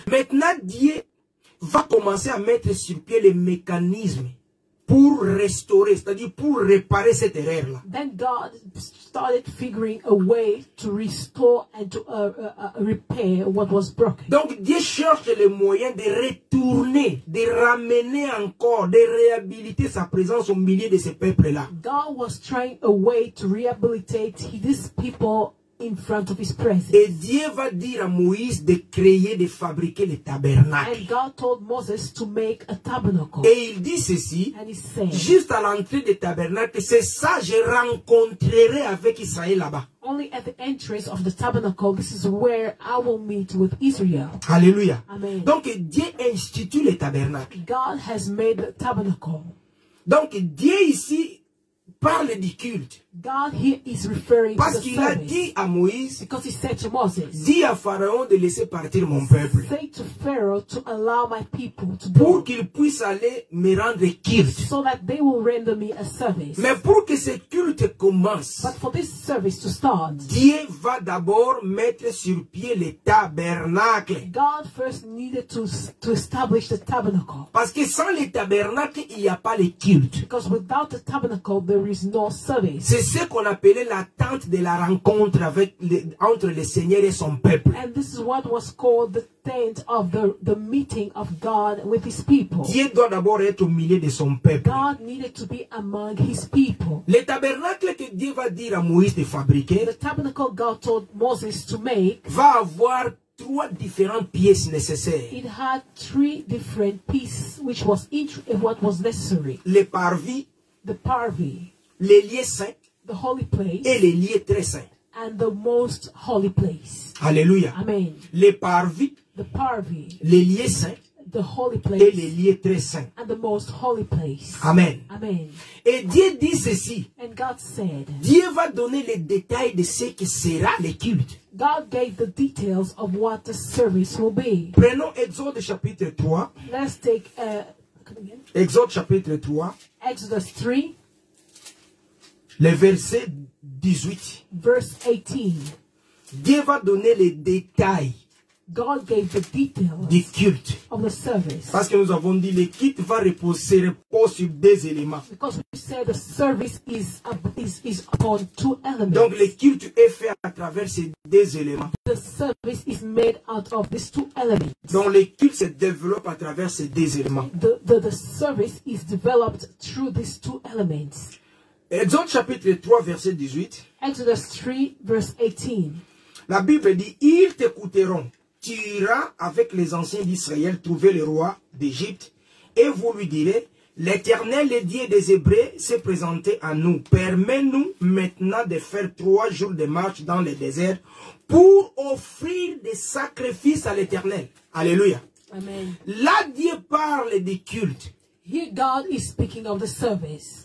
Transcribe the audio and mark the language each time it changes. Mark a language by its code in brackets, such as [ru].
[fr] Maintenant Dieu va commencer à mettre sur pied les mécanismes pour restaurer, c'est-à-dire pour réparer cette erreur là. [en] Then God started figuring a way to restore and to repair what was broken. [fr] Donc Dieu cherche le moyen de retourner, de ramener encore, de réhabiliter sa présence au milieu de ce peuple là. [en] God was trying a way to rehabilitate these people in front of his presence. [fr] Et Dieu va dire à Moïse de créer, de fabriquer le tabernacle. [en] And God told Moses to make a tabernacle. [fr] Et il dit ceci. [en] And he said, [fr] juste à l'entrée du tabernacle, c'est ça je rencontrerai avec Israël là-bas. [en] Only at the entrance of the tabernacle, this is where I will meet with Israel. Alléluia. Amen. [fr] Donc Dieu institue le tabernacle. [en] God has made the tabernacle. [fr] Donc Dieu ici parle du culte. [en] God here is referring [fr] parce [en] to the [fr] qu'il a dit à Moïse, [en] because he said to Moses, [fr] dis à Pharaon de laisser partir mon peuple. [en] Say to Pharaoh to allow my people to go. [fr] Pour qu'il puisse aller me rendre culte. [en] So that they will render me a service. [fr] Mais pour que ce culte commence, [en] but for this service to start, [fr] Dieu va d'abord mettre sur pied le tabernacle. [en] God first needed to establish the tabernacle. [fr] Parce que sans le tabernacle, il n'y a pas le culte. [en] Because without the tabernacle, there is no service. [fr] C'est ce qu'on appelait l'attente de la rencontre avec entre le Seigneur et son peuple. [en] And this is what was called the tent of the meeting of God with his people. [fr] Dieu doit d'abord être au milieu de son peuple. [en] God needed to be among his people. [fr] Le tabernacle que Dieu va dire à Moïse de fabriquer, [en] the tabernacle God told Moses to make, [fr] va avoir trois différentes pièces nécessaires. [en] It had three different pieces, which was each of what was necessary. [fr] Le parvis, [en] the parvis, [fr] les lieux saints, [en] the holy place, [fr] et les lieux très saints, [en] and the most holy place. Alléluia. Amen. [fr] Le parvis, [en] the parvis, [fr] les lieux saints, [en] the holy place, [fr] et les lieux très saints, [en] and the most holy place. Amen. Amen. [fr] Et Dieu dit ceci. [en] And God said, [fr] Dieu va donner les détails de ce qui sera le culte. [en] God gave the details of what the service will be. [fr] Prenons Exode chapitre 3. [en] Let's take [fr] Exode chapitre 3. [en] Exodus 3. [fr] Le verset 18. [en] Verse [fr] 18. Dieu va donner les détails. [en] God gave the details [fr] du culte. [en] Of the service. [fr] Parce que nous avons dit le culte va repose sur deux éléments. [en] Because we said the service is upon two elements. [fr] Donc le culte est fait à travers ces deux éléments. [en] The service is made out of these two elements. [fr] Donc le culte se développe à travers ces deux éléments. [en] The service is developed through these two elements. [fr] Exode chapitre 3 verset 18. [en] Exodus 3 verse 18. [fr] La Bible dit ils t'écouteront. Tu iras avec les anciens d'Israël trouver le roi d'Égypte et vous lui direz, l'Éternel, le Dieu des Hébreux, s'est présenté à nous. Permets-nous maintenant de faire 3 jours de marche dans le désert pour offrir des sacrifices à l'Éternel. Alléluia. Amen. Là, Dieu parle des cultes. [en] Here God is speaking of the service.